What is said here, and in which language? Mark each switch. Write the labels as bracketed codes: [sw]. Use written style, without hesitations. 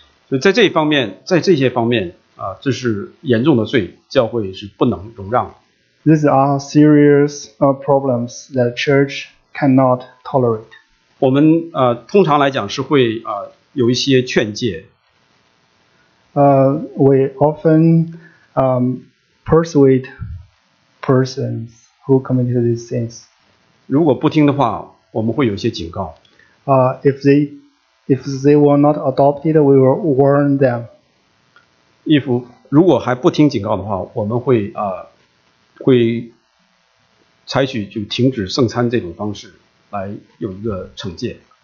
[zh] 所以在这一方面，在这些方面啊，这是严重的罪，教会是不能容让的。 [en] These are serious problems that church cannot tolerate. [zh] 我们通常来讲是会有一些劝诫。 [en] We often persuade persons who commit these sins. [zh] 如果不听的话，我们会有一些警告。 [en] If they were not adopted, we will warn them. [zh] 如果还不听警告的话，我们会会采取就停止圣餐这种方式来有一个惩戒。